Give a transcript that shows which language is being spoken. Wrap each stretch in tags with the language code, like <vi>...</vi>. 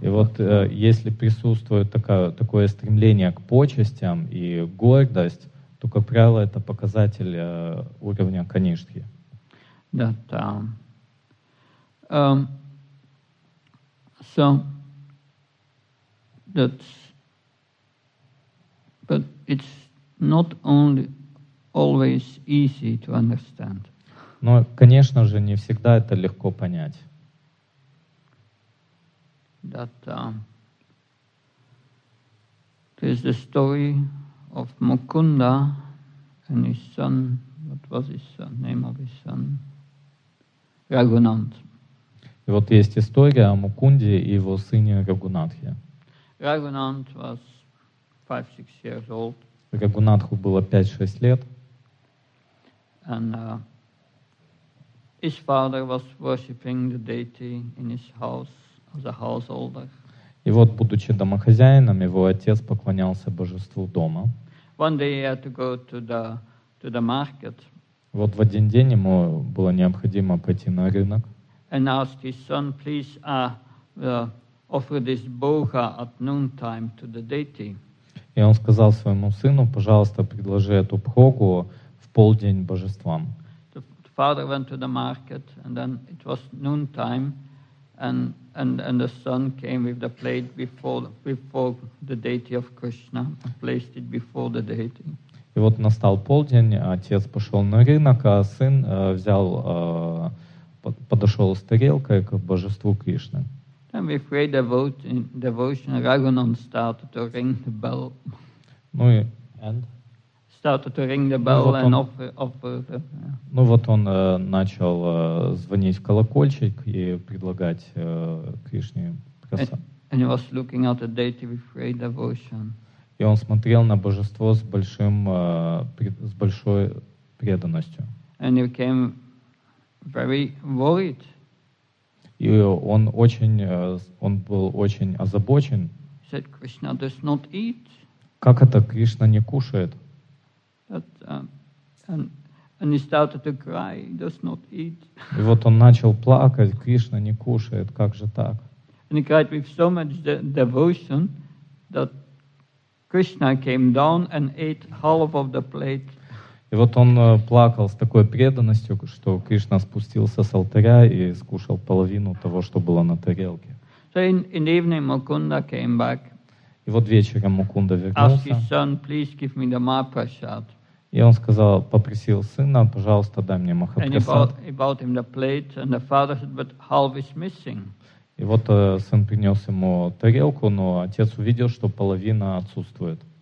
<ru>И вот если присутствует такое стремление к почестям и гордость, то, как правило, это показатель уровня канишки.</ru> <en>That, so that, but it's not only always easy to understand.</en> <ru>Но, конечно же, не всегда это легко понять.</ru> <en>That there is the story of Mukunda and his son. What was his son? Name of his son? Raghunath.</en> <ru>И вот есть история о Мукунде и его сыне Рагунатхе.</ru> <en>Raghunath was 5-6 years old.</en> <ru>Рагунатху было 5-6 лет.</ru> <en>And his father was worshipping the deity in his house as a householder.</en> <ru>И вот, будучи домохозяином, его отец поклонялся божеству дома.</ru> <en>One day he had to go to the market.</en> <ru>Вот в один день ему было необходимо пойти на рынок.</ru> <en>And asked his son, please offer this bhoga at noontime to the deity.</en> <ru>И он сказал своему сыну, пожалуйста, предложи эту бхогу в полдень божествам.</ru> <en>The father went to the market, and then it was noontime, and the son came with the plate before the deity of Krishna, and placed it before the deity.</en> <ru>И вот настал полдень, отец пошел на рынок, а сын взял, подошел с тарелкой к божеству Кришны.</ru> <en>And with great devotion, Raghunand started to ring the bell.</en> <ru>Ну и,</ru> <en>and? Started to ring the bell,</en> <ru>ну, вот он,</ru> <en>and offer the, yeah.</en> <ru>Ну вот он начал звонить в колокольчик и предлагать Кришне</ru> <en>and he was looking at the deity with great devotion.</en> <ru>И он смотрел на божество с большим, с большой преданностью.</ru> <en>And he became very worried.</en> <ru>И он был очень озабочен.</ru> <en>He said, Krishna does not eat.</en> <ru>Как это Кришна не кушает?</ru> <en>That, and he started to cry, he does not eat.</en> <ru>И вот он начал плакать, Кришна не кушает, как же так?</ru> <en>And he cried with so much devotion that Krishna came down and ate half of the plate.</en> <ru>И вот он плакал с такой преданностью, что Кришна спустился с алтаря и скушал половину того, что было на тарелке.</ru> <en>So in the evening Mukunda came back.</en> <ru>И вот вечером Мукунда вернулся.</ru> <en>Asked his son, please give me the Mahaprasad.</en> <ru>И он сказал, попросил сына, пожалуйста, дай мне Махапрасад.</ru> <en>And he bought him the plate, and the father said, but half is missing.</en> <ru>И вот сын принес ему тарелку, но отец увидел, что половина отсутствует.</ru>